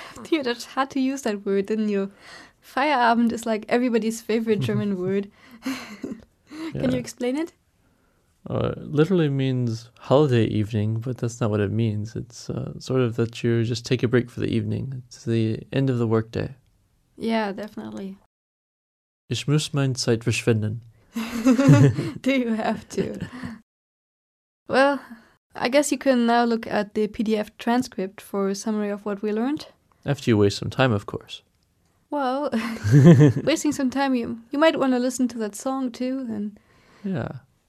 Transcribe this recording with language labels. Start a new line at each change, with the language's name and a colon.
English: You just had to use that word, didn't you? Feierabend is like everybody's favorite German word. Can you explain it? It literally means holiday evening, but that's not what it means. It's sort of that you just take a break for the evening. It's the end of the workday. Yeah, definitely.
German: Ich muss meine Zeit verschwenden.
English: Do you have to? Well, I guess you can now look at the PDF transcript for a summary of what we learned. After you waste some time, of course. Well, wasting some time, you might want to listen to that song too, and yeah,